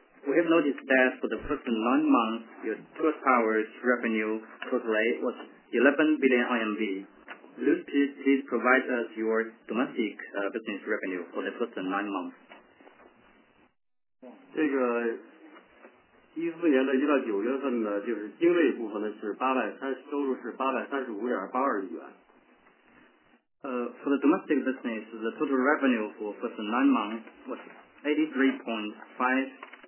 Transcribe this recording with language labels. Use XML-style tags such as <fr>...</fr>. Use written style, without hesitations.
<en>We have noticed that for the first 9 months, your third power's revenue totally was 11 billion RMB. Please provide us your domestic business revenue for the first 9 months.</en> <zh>这个2014年的一到九月份呢，就是经费部分呢是收入是835.82亿元。</zh> <en>For the domestic business, the total revenue for first 9 months was 83.5</en>